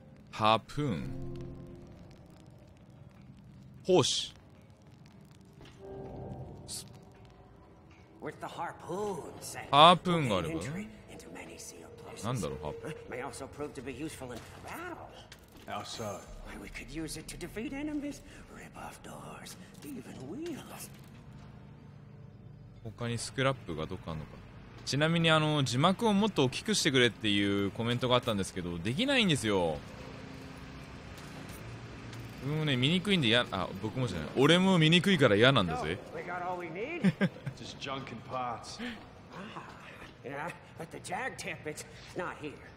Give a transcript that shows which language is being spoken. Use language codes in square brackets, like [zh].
[ja] ハープーン、胞子。ハープーンがあれば、ね、なんだろう、ハープーン。 [en] Outside. We could use it to defeat enemies, rip off doors, even wheels. [ja] 他にスクラップがどっかあるのか。ちなみに字幕をもっと大きくしてくれっていうコメントがあったんですけど、できないんですよ。僕もね、見にくいんで、僕もじゃない。俺も見にくいから嫌なんだぜ。 [en] We got all we need. Just junk and parts. Yeah, but the jag tip, it's not here.